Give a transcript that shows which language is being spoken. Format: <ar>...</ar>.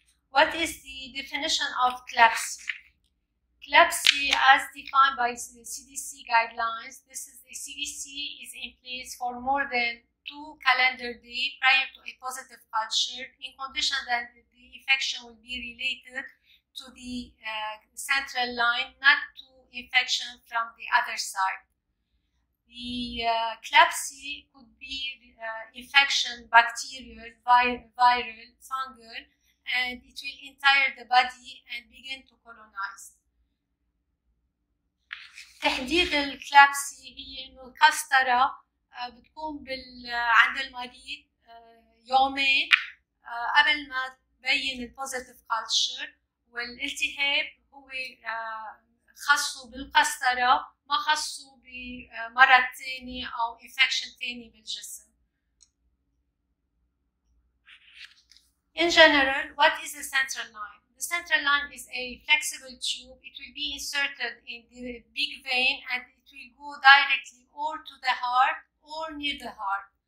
<en>What is the definition of CLABSI? CLABSI, as defined by the CDC guidelines, this is the CVC is in place for more than 2 calendar days prior to a positive culture in condition that infection will be related to the central line, not to infection from the other side. The CLABSI could be infection, bacterial, viral, fungal, and it will enter the body and begin to colonize.</en> <ar>تحديد الكلابسي هي إنه القسطرة بتكون عند المريض يومين قبل ما بين البوزيتيف كالتشر، والالتهاب هو خاصه بالقسطره ما خاصه بمرض ثاني او انفكشن ثاني بالجسم.</ar> <en>In general, what is a central line? The central line is a flexible tube. It will be inserted in the big vein and it will go directly or to the heart or near the heart.</en>